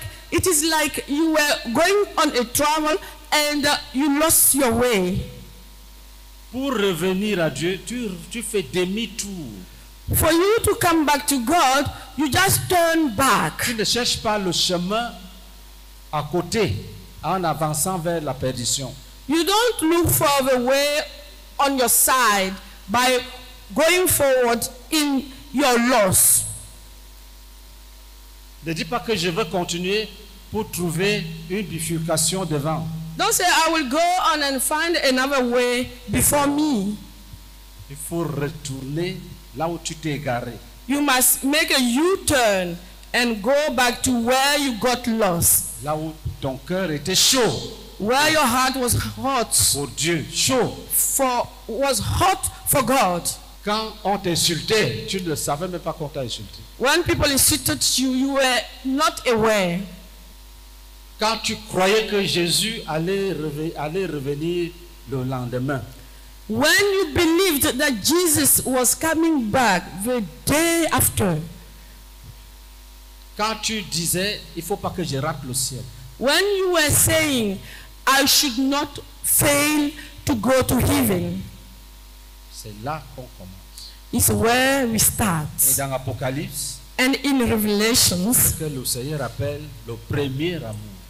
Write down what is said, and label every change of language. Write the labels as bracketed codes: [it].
[en] It is like you were going on a travel and you lost your way. [fr] Pour revenir à Dieu, tu fais demi-tour. [en] For you to come back to God, you just turn back. [fr] Tu ne cherches pas le chemin à côté en avançant vers la perdition. [en] You don't look for the way on your side by going forward in your loss. [fr] Ne dis pas que je veux continuer pour trouver une bifurcation devant. [en] Don't say I will go on and find another way before me. [fr] Il faut retourner là où tu t'es égaré. [en] You must make a U-turn and go back to where you got lost. [fr] Là où ton cœur était chaud. [en] Where your heart was hot. [fr] Pour Dieu, chaud. [en] Was hot for God. [fr] Quand on t'insultait, tu ne savais même pas qu'on t'a insulté. [en] When people insulted you, you were not aware. [fr] Quand tu croyais que Jésus allait revenir le lendemain. [en] When you believed that Jesus was coming back the day after. [fr] Quand tu disais, il faut pas que je rate le ciel. [en] When you were saying, I should not fail to go to heaven. [fr] C'est là qu'on commence. [en] It's where we start. [fr] Et dans Apocalypse. [en] And in Revelations. [fr] Que le Seigneur appelle le premier amour.